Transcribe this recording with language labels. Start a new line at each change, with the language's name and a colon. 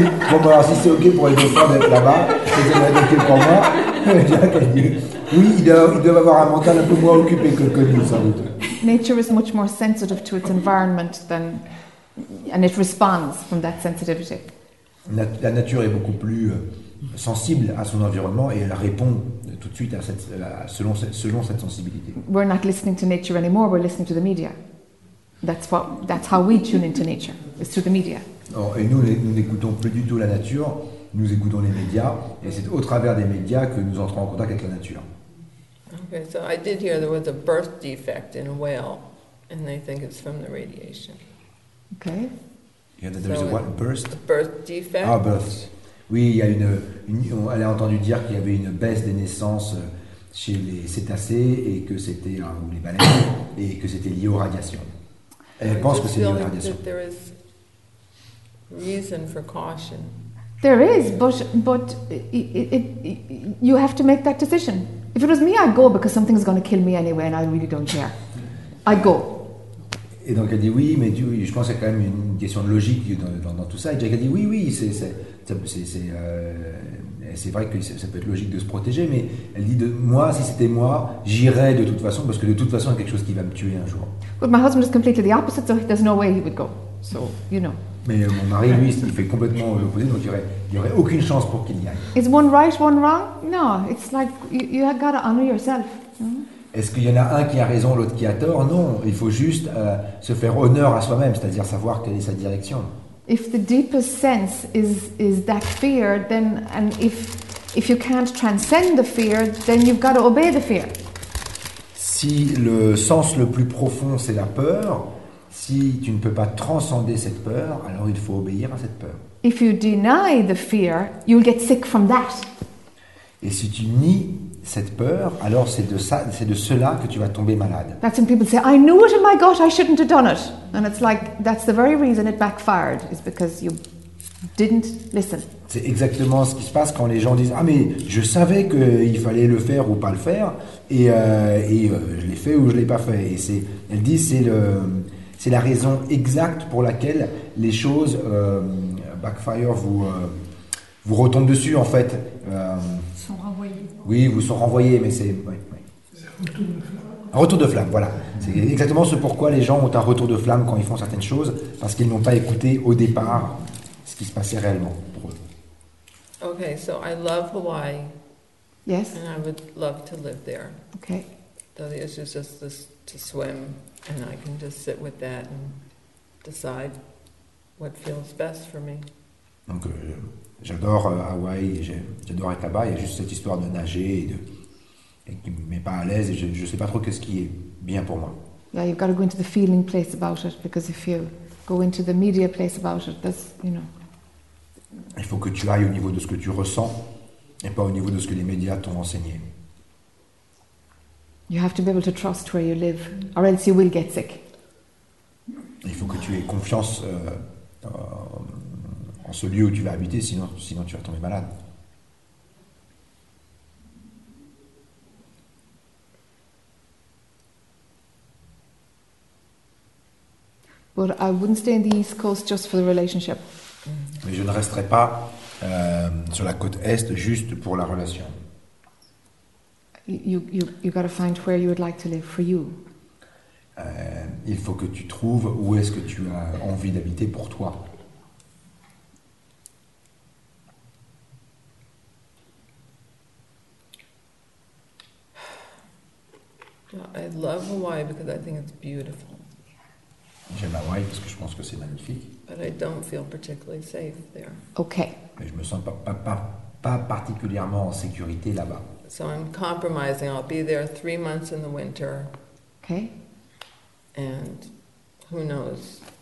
French: Bon, alors si c'est okay pour les dauphins d'être là-bas, c'est okay pour moi. Oui, ils doivent avoir un mental un peu moins occupé que nous, sans doute.
English: Nature is much more sensitive to its environment than... And it responds from that sensitivity.
French: La nature est beaucoup plus sensible à son environnement et elle répond tout de suite à selon cette sensibilité.
English: We're not listening to nature anymore. We're listening to the media. That's how we tune into nature, is through the media.
French: Or, et nous, nous n'écoutons plus du tout la nature, nous écoutons les médias, et c'est au travers des médias que nous entrons en contact avec la nature.
English: Okay, so I did hear there was a birth defect in a whale, and they think it's from the radiation. Okay. Yeah, that there so is a what? Burst? A birth defect? Ah, birth.
French: Oui, il y a elle a entendu dire qu'il y avait une baisse des naissances chez les cétacés, et que c'était, ou les baleines, et que c'était lié aux radiations. Elle pense que c'est lié aux radiations.
English: There is reason for caution. There is, but you have to make that decision. If it was me, I'd go because something's going to kill me anyway and I really don't care. I'd go.
French: Et donc elle dit oui, mais je pense qu'il y a quand même une question de logique dans tout ça. Et Jack a dit oui, c'est vrai que ça peut être logique de se protéger, mais elle dit si c'était moi, j'irais de toute façon parce que de toute façon, il y a quelque chose qui va me tuer un jour.
English: But my husband is completely the opposite, so there's no way he would go. So, you know.
French: Mais mon mari, lui, il fait complètement l'opposé, donc il y aurait aucune chance pour qu'il y aille.
English: Is one right, one wrong? No, it's like you have got to honor yourself.
French: Est-ce qu'il y en a un qui a raison, l'autre qui a tort? Non, il faut juste se faire honneur à soi-même, c'est-à-dire savoir quelle est sa direction.
English: If the deepest sense is that fear, then and if you can't transcend the fear, then you've got to obey the fear.
French: Si le sens le plus profond c'est la peur, si tu ne peux pas transcender cette peur, alors il faut obéir à cette peur.
English: If you deny the fear, you'll get sick from that.
French: Et si tu nies cette peur, alors c'est de cela que tu vas tomber malade.
English: That's when people say, I knew it in my gut, I shouldn't have done it. And it's like, that's the very reason it backfired, is because you didn't listen.
French: C'est exactement ce qui se passe quand les gens disent, ah mais je savais qu'il fallait le faire ou pas le faire, et je l'ai fait ou je ne l'ai pas fait. Et c'est la raison exacte pour laquelle les choses backfire vous retombent dessus, en fait. Sont renvoyés. Oui, vous sont renvoyés, mais c'est... Oui, oui. C'est un retour de flamme. Un retour de flamme, voilà. C'est exactement ce pourquoi les gens ont un retour de flamme quand ils font certaines choses, parce qu'ils n'ont pas écouté au départ ce qui se passait réellement pour eux.
English: Ok, so I love Hawaii. Yes. And I would love to live there. Ok. The issue is just this, to swim, and I can just sit with that and decide what feels best for me.
French: Donc, j'adore Hawaï, j'adore être là-bas, il y a juste cette histoire de nager et qui ne me met pas à l'aise, et je ne sais pas trop ce qui est bien pour moi.
English: Yeah, you've got to go into the feeling place about it, because if you go into the media place about it, that's, you know...
French: Il faut que tu ailles au niveau de ce que tu ressens, et pas au niveau de ce que les médias t'ont enseigné.
English: You have to be able to trust where you live, or else you will get sick.
French: Il faut que tu aies confiance... en ce lieu où tu vas habiter, sinon tu vas tomber malade.
English: But I wouldn't stay in the East Coast just for the relationship.
French: Mais je ne resterai pas sur la côte Est juste pour la relation.
English: You got to find where you would like to live for you.
French: Il faut que tu trouves où est-ce que tu as envie d'habiter pour toi.
English: I love Hawaii because I think it's beautiful.
French: J'aime Hawaii parce que je pense que c'est magnifique.
English: But I don't feel particularly safe there. Okay.
French: Mais je me sens pas particulièrement en sécurité là-bas.
English: So I'm compromising. I'll be there 3 months in the winter. Okay. And who knows?